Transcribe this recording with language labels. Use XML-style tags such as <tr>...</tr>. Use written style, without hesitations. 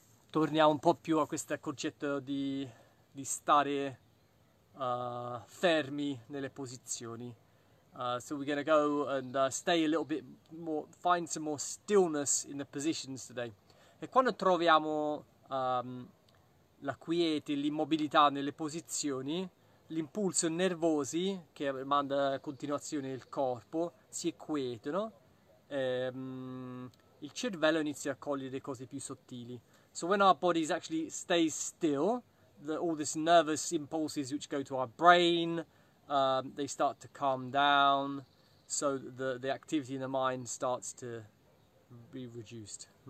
<it>Torniamo un po' più a questo concetto di stare fermi nelle posizioni.</it> <en>So we're gonna go and stay a little bit more, find some more stillness in the positions today.</en> <it>E quando troviamo la quiete, l'immobilità nelle posizioni, l'impulso nervosi che manda a continuazione il corpo si acquietano, il cervello inizia a cogliere cose più sottili.</it> <en>So when our bodies actually stay still, all these nervous impulses which go to our brain, they start to calm down, so the activity in the mind starts to be reduced.</en>